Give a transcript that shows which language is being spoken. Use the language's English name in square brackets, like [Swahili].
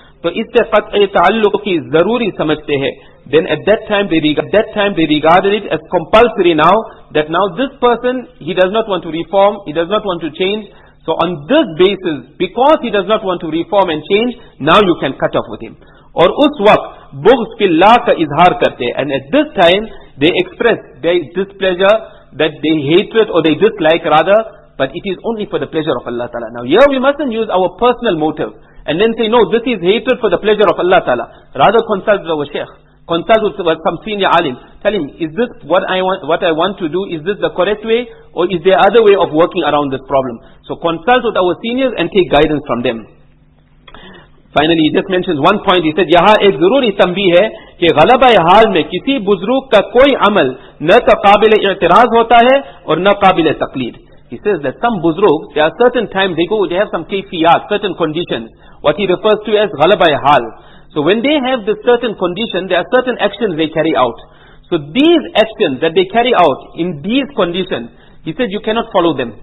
[Urdu] تو اس سے قطع تعلق کی ضروری سمجھتے ہیں. [English] Then at that time they regarded it as compulsory now, that now this person, he does not want to reform, he does not want to change. So on this basis, because he does not want to reform and change, now you can cut off with him. [Urdu] اور اس وقت بغض کی لا کا اظہار کرتے ہیں. [English] And at this time, they express their displeasure, that they hatred or they dislike rather, but it is only for the pleasure of Allah Ta'ala. Now here we mustn't use our personal motive and then say, no, this is hatred for the pleasure of Allah Ta'ala. Rather consult with our sheikh. Consult with some senior alim. Tell him, is this what I want to do? Is this the correct way? Or is there other way of working around this problem? So consult with our seniors and take guidance from them. Finally, he just mentions one point. He said, [Urdu] یہاں ایک ضروری تنبیہ ہے کہ غلبہ حال میں کسی بزرگ کا کوئی عمل نہ تو قابل اعتراض ہوتا ہے اور نہ قابل تقلید. [English] He says that some بزرگ, there are certain times they have some kayfiyat, certain conditions, what he refers to as غلبہ حال. So when they have this certain condition, there are certain actions they carry out. So these actions that they carry out in these conditions, he said, you cannot follow them.